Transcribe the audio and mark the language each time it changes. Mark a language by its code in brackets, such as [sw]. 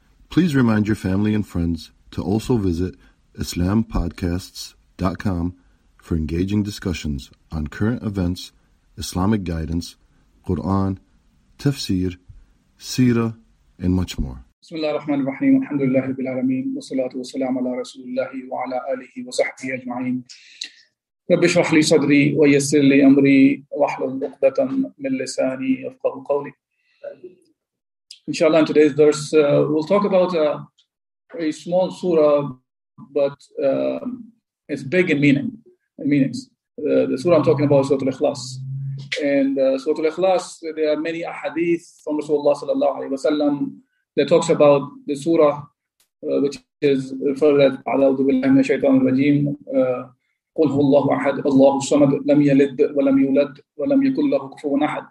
[en] Please remind your family and friends to also visit IslamPodcasts.com for engaging discussions on current events, Islamic guidance, Quran, tafsir, seerah, and much more. [ar] بسم الله الرحمن الرحيم الحمد لله رب العالمين والصلاة والسلام على رسول الله وعلى آله وصحبه أجمعين رب اشرح لي صدري ويسر لي أمري واحلل عقدة من لساني يفقه قولي إن شاء الله [en] in today's verse we'll talk about a small surah but it's big in meaning. The surah I'm talking about is Surah Al-Ikhlas. And Surah Al-Ikhlas, there are many ahadith from Rasulullah [ar] صلى الله عليه وسلم [en] that talks about the surah, which is referred to as A'udhu Billahi Minash Shaitanir Rajeem. [ar] قُلْ هُوَ اللَّهُ أَحَدْ اللَّهُ الصَّمَدْ لَمْ يَلِدْ وَلَمْ يُولَدْ وَلَمْ يَكُنْ لَهُ كُفُوًا أَحَدْ.